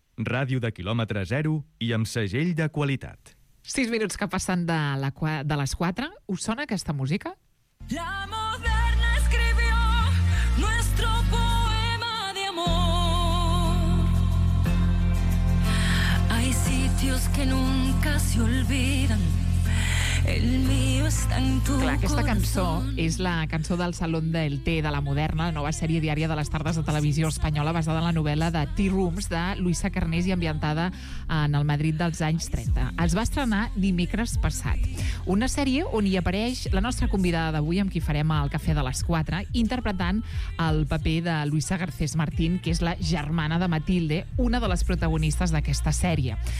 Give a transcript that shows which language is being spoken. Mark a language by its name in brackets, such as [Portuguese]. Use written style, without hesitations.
[Catalan] Ràdio de quilòmetre zero i amb segell de qualitat. 6 minuts que passen de les 4. Us sona aquesta música? [Spanish] La moderna escribió nuestro poema de amor. Hay sitios que nunca se olvidan. El mío está en tu corazón. [Catalan] Clar, aquesta cançó és la cançó del Salón del Té de la Moderna, la nova sèrie diària de les tardes de televisió espanyola basada en la novel·la de Tea Rooms de Luisa Carnés i ambientada en el Madrid dels anys 30. Es va estrenar dimecres passat. Una sèrie on hi apareix la nostra convidada d'avui, amb qui farem el Cafè de les 4, interpretant el paper de Luisa Garcés Martín, que és la germana de Matilde, una de les protagonistes d'aquesta sèrie.